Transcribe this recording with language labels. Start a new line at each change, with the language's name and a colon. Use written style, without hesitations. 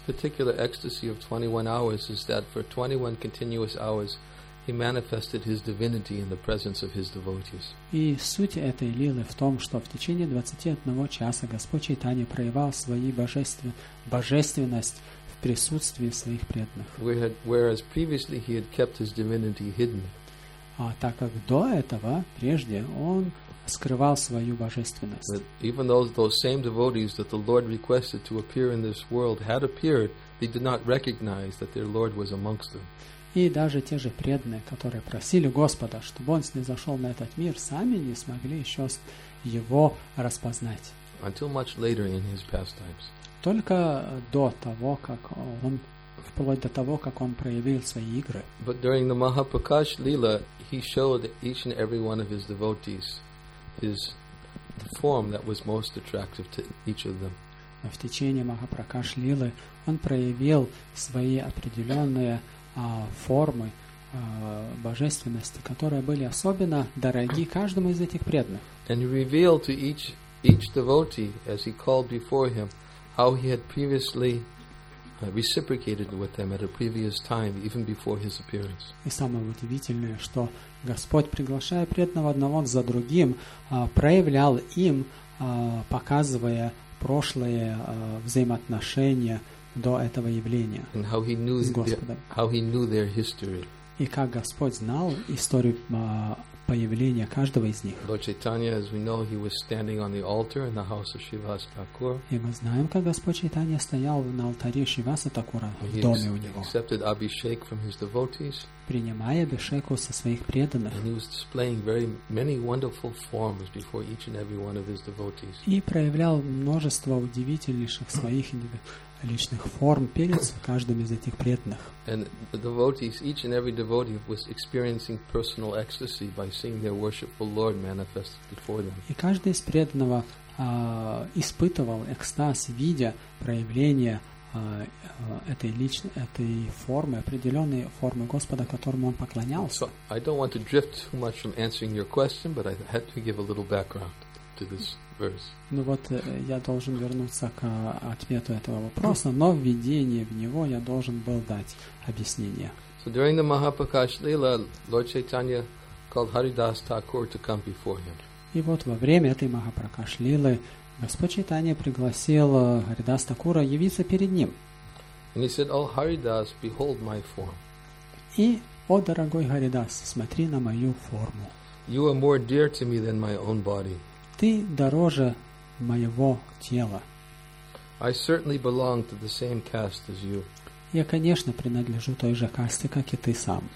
English: This particular ecstasy of 21 hours is that for 21 continuous hours he manifested his divinity in the presence of his devotees.
Russian: И суть этой лилы в том, что в течение 21 часа Господь Чайтанья проявлял свою божественность в присутствии своих преданных.
English: Whereas previously he had kept his divinity hidden.
Russian: А так как до этого, прежде, он скрывал свою божественность.
English: But even though those same devotees that the Lord requested to appear in this world had appeared, they did not recognize that their Lord was amongst them.
Russian: И даже те же преданные, которые просили Господа, чтобы он снизошел на этот мир, сами не смогли еще его распознать.
English: Until much later in his pastimes.
Russian: Только до того, как он вплоть до того, как он проявил свои игры.
English: But during the Mahaprakash Lila, he showed each and every one of his devotees his the form that was most attractive to each of them.
Russian: В течение Махапракаш Лилы он проявил свои определенные формы божественности, которые были особенно дороги каждому из этих преданных.
English: And he revealed to each devotee, as he called before him, how he had previously reciprocated with them at a previous time, even before his appearance.
Russian: И самое удивительное, что Господь, приглашая преданного одного за другим, проявлял им, показывая прошлые взаимоотношения до этого явления с Господом.
English: How he knew their history.
Russian: И как Господь знал историю появления каждого из них.
English: Lord Chaitanya, as we know, he was standing on the altar in the house of Shrivas Thakur.
Russian: И мы знаем, как Господь Чайтанья стоял на алтаре Шриваса Такура в доме у него.
English: He accepted abhishek from his devotees.
Russian: Принимая абхишеку со своих преданных.
English: And he was displaying very many wonderful forms before each and every one of his devotees.
Russian: И проявлял множество удивительнейших своих личных форм перед каждым из этих преданных.
English: And the devotees, each and every devotee was experiencing personal ecstasy by seeing their worshipful Lord manifested before them.
Russian: И каждый из преданного испытывал экстаз, видя проявление этой формы, определенной формы Господа, которому он поклонялся.
English: So I don't want to drift too much from answering your question, but I had to give a little background to this.
Russian: Ну вот, я должен вернуться к ответу этого вопроса, но введение в него я должен был дать объяснение.
English: So during the Mahaprakash Lila, Lord Chaitanya called Haridas Thakur to come before him.
Russian: И вот во время этой Махапракаш Лилы Господь Чайтанья пригласил Харидас Такура явиться перед ним.
English: And he said, "Oh, Haridas, behold my form."
Russian: И, о дорогой Харидас, смотри на мою форму.
English: You are more dear to me than my own body.
Russian: Ты дороже моего тела.
English: I certainly belong to the same caste as you.
Russian: Я, конечно, принадлежу той же касте, как и ты сам.